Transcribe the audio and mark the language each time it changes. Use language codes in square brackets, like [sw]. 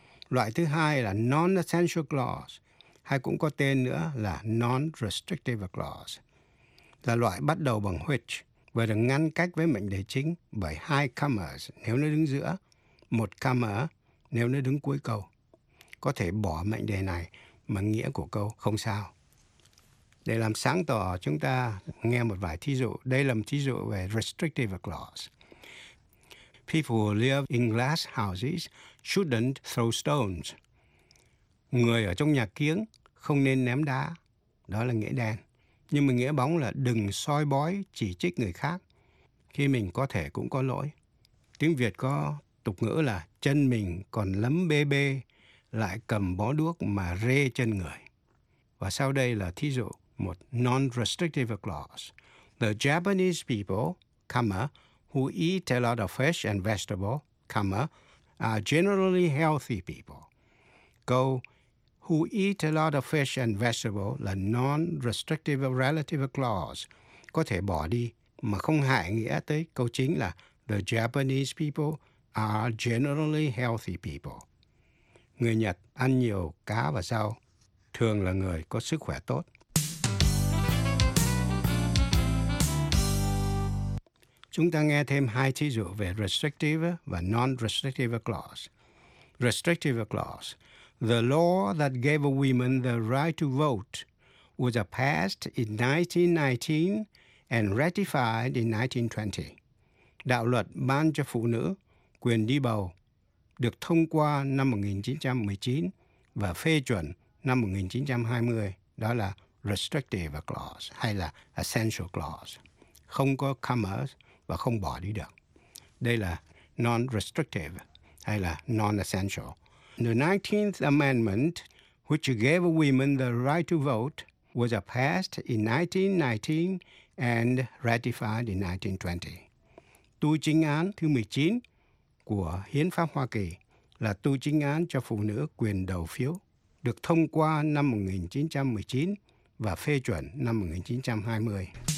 [vi] Loại thứ hai là non-essential clause, hay cũng có tên nữa là non-restrictive clause, là loại bắt đầu bằng which và được ngăn cách với mệnh đề chính bởi hai commas nếu nó đứng giữa, một comma nếu nó đứng cuối câu. Có thể bỏ mệnh đề này mà nghĩa của câu không sao. Để làm sáng tỏ, chúng ta nghe một vài thí dụ. Đây là một thí dụ về restrictive clause. [en] People who live in glass houses shouldn't throw stones. [vi] Người ở trong nhà kiếng không nên ném đá. Đó là nghĩa đen. Nhưng mà nghĩa bóng là đừng soi bói chỉ trích người khác khi mình có thể cũng có lỗi. Tiếng Việt có tục ngữ là chân mình còn lấm bê bê, lại cầm bó đuốc mà rê chân người. Và sau đây là thí dụ một non-restrictive clause. [en] The Japanese people, comma, who eat a lot of fish and vegetable, comma, are generally healthy people. [vi] Câu [en] who eat a lot of fish and vegetable [vi] là non-restrictive relative clause, có thể bỏ đi mà không hại nghĩa tới câu chính là [en] the Japanese people are generally healthy people. [vi] Người Nhật ăn nhiều cá và rau, thường là người có sức khỏe tốt. Chúng ta nghe thêm hai thí dụ về restrictive và non-restrictive clause. [en] Restrictive clause. The law that gave women the right to vote was passed in 1919 and ratified in 1920. [vi] Đạo luật ban cho phụ nữ quyền đi bầu được thông qua năm 1919 và phê chuẩn năm 1920. Đó là restrictive clause hay là essential clause. Không có commas và không bỏ đi được. Đây là non-restrictive hay là non-essential. [en] The 19th Amendment, which gave women the right to vote, was passed in 1919 and ratified in 1920. [vi] Tu chính án thứ 19 của Hiến pháp Hoa Kỳ là tu chính án cho phụ nữ quyền đầu phiếu, được thông qua năm 1919 và phê chuẩn năm 1920.